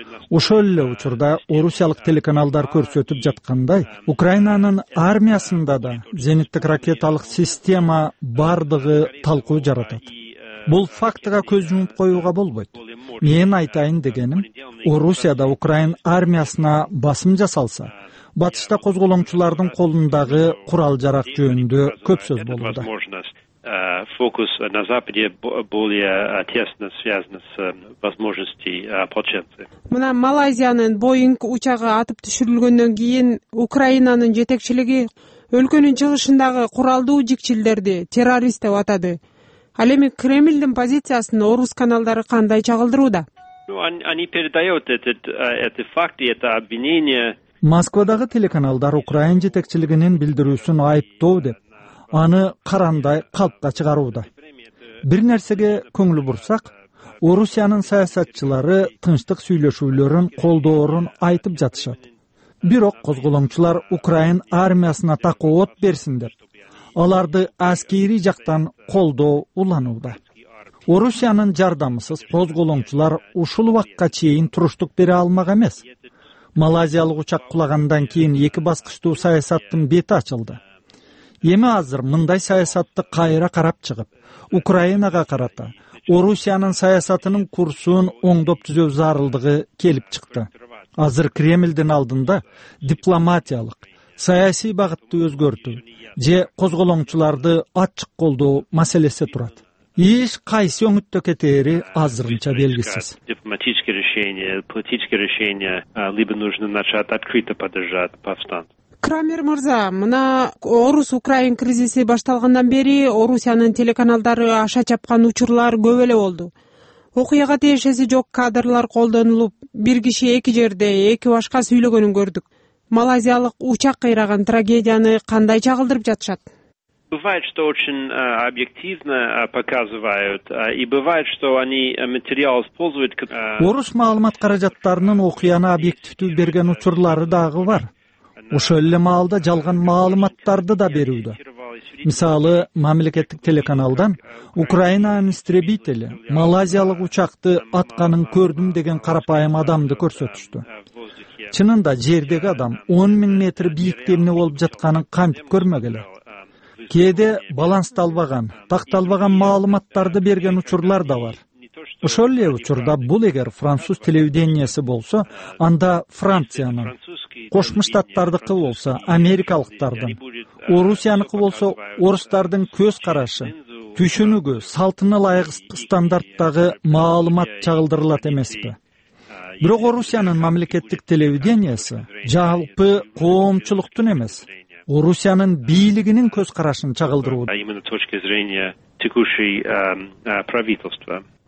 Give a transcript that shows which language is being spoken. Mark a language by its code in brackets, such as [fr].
[ky] Ошол эле учурда орусиялык телеканалдар көрсөтүп жаткандай, Украинанын армиясында да зениттик ракеталык система бардыгы талкуу жаратат. Бул фактыга көз жумуп коюуга болбойт. Мен айтайын дегеним, Орусияда Украин армиясына басым жасалса, батышта козголоңчулардын колундагы курал жарак жөнүндө көп сөз болууда. [ru] Фокус на западе более тесно связан с возможностями ополченцев. [ky] Мына Малайзиянын Боинг учагы атып түшүрүлгөндөн кийин Украинанын жетекчилиги өлкөнүн чыгышындагы куралдуу жикчилдерди террорист деп атады. Ал эми Кремлдин позициясын орус каналдары кандай чагылдырууда? [ru] Они передают этот факт и это обвинение. [ky] Москвадагы телеканалдар Украин жетекчилигинин билдирүүсүн айыптоо деп аны карандай калпка чыгарууда. Бир нерсеге көңүл бурсак, Орусиянын саясатчылары тынчтык сүйлөшүүлөрүн колдоорун айтып жатышат. Бирок козголоңчулар Украин армиясына такоот берсин деп аларды аскерий жактан колдоо уланууда. Орусиянын жардамысыз козголоңчулар ушул убакка чейин туруштук бере алмак эмес. Малайзиялык учак кулагандан кийин эки баскычтуу саясаттын бети ачылды. Эми азыр мындай саясатты кайра карап чыгып, Украинага карата Орусиянын саясатынын курсун оңдоп түзөө зарылдыгы келип чыкты. Азыр Кремлдин алдында дипломатиялык, саясий багытты өзгөртү же козголоңчуларды ачык колдоо маселеси турат. Иш кайсы өңүттө кетери азырынча белгисиз. [ru] Дипломатические решения, политические решения либо нужно начать открыто поддержать повстанцев. [ky] Крамер мырза, мына Орус-Украин кризиси башталгандан бери Орусиянын телеканалдары аша чапкан учурлар көп эле болду. Окуяга тиешеси жок кадрлар колдонулуп, бир киши эки жерде, эки башка сүйлөгөнүн көрдүк. Малайзиялык учак кыйраган трагедияны кандай чагылдырып жатышат? [ru] Бывает, что очень объективно показывают, и бывает, что они материал используют. [ky] Орус маалымат каражаттарынын окуяны объективдүү берген учурлары дагы бар. Ошол эле маалда жалган маалыматтарды да берүүдө. Мисалы, мамлекеттик телеканалдан Украинанын истребители малайзиялык учакты атканын көрдүм деген карапайым адамды көрсөтүштү. Чынында жердеги адам 10,000 метр бийикте эмне болуп жатканын кантип көрмөк эле. Кээде баланстанбаган, такталбаган маалыматтарды берген учурлар да бар. Ошол эле учурда бул эгер француз телевидениеси болсо, анда Франциянын, Кошмо Штаттардыкы болсо Америкалыктардын, Орусияныкы болсо орустардын көз карашы, түшүнүгү, салтына ылайык стандарттагы маалымат чагылдырылат эмеспи? Бирок Орусиянын мамлекеттик телевидениеси жалпы коомчулуктун эмес, Орусиянын бийлигинин көз карашын чагылдырууда. [ru] Именно с точки зрения текущей правительства.